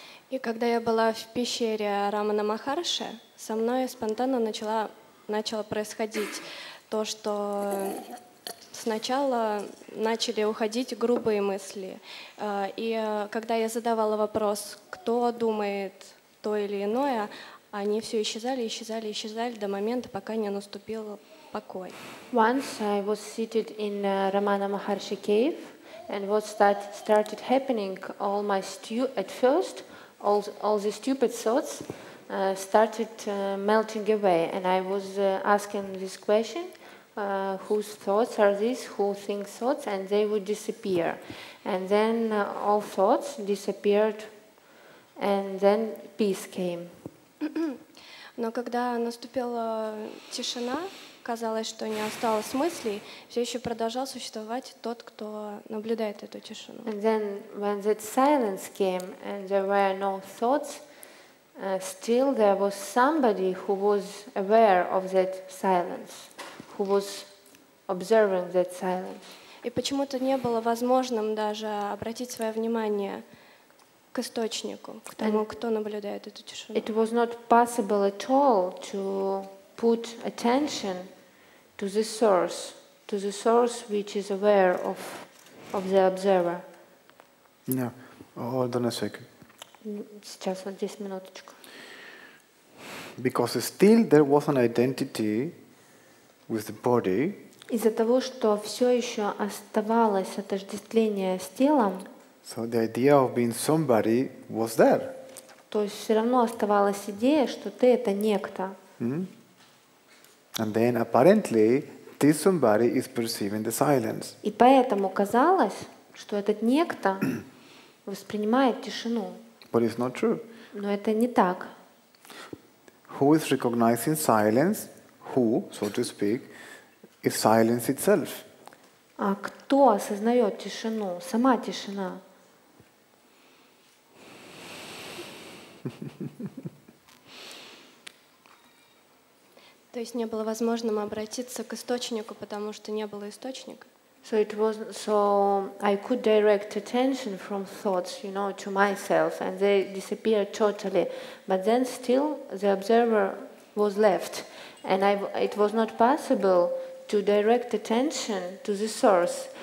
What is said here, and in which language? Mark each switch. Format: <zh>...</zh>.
<ru>И когда я была в пещере Рамана Махарши, со мной спонтанно начало происходить то, что сначала начали уходить грубые мысли. И когда я задавала вопрос, кто думает то или иное, они все исчезали, исчезали, исчезали до момента, пока не наступил покой.</ru> <en>Once I was seated in Ramana Maharshi cave, and what started happening, all my stupid thoughts started melting away, and I was asking this question, whose thoughts are these, who thinks thoughts, and they would disappear. And then all thoughts disappeared, and then peace came.</en> <ru>Но когда наступила тишина, казалось, что не осталось мыслей, все еще продолжал существовать тот, кто наблюдает эту тишину.</ru> <en>And then when that silence came and there were no thoughts, still there was somebody who was aware of that silence, who was observing that silence.</en> <ru>И почему-то не было возможным даже обратить свое внимание к источнику, к тому, кто наблюдает эту тишину.</ru> <en>It was not possible at all to put attention to the source which is aware of the observer. No. Hold on a second.</en> <ru>Сейчас вот здесь минуточку.</ru> <en>Because still there was an identity with the body.</en> <ru>Из-за того, что все еще оставалось отождествление с телом.</ru> <en>So the idea of being somebody was there.</en> <ru>То есть все равно оставалась идея, что ты это некто.</ru> <en>And then apparently this somebody is perceiving the silence.</en> <ru>И поэтому казалось, что этот некто воспринимает тишину.</ru> <en>But it's not true.</en> <ru>Но это не так.</ru> <en>Who is recognizing silence? Who, so to speak, is silence itself?</en> <ru>А кто осознает тишину? Сама тишина. То есть не было возможным обратиться к источнику, потому что не было источника.</ru> <en>So it was, so I could direct attention from thoughts, you know, to myself, and they disappeared totally. But then still the observer was left, and it was not possible to direct attention to the source.</en>